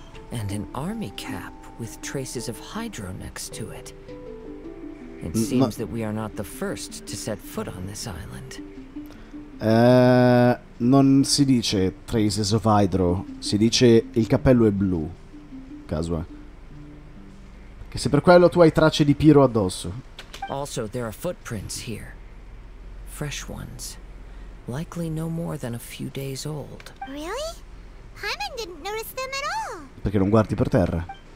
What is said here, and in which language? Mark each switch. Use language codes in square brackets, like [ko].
[en] And an army cap with traces of hydro next to it. It seems that we are not the first to set foot on this island. [it] Non si dice [en] traces of hydro, [it] si dice il cappello è blu. Casua. Che se per quello tu hai tracce di Piro addosso. [en] Also, there are footprints here. Fresh ones. Likely no more than a few days old. Really? Hyman didn't notice them at all. [it] Perché non guardi per terra?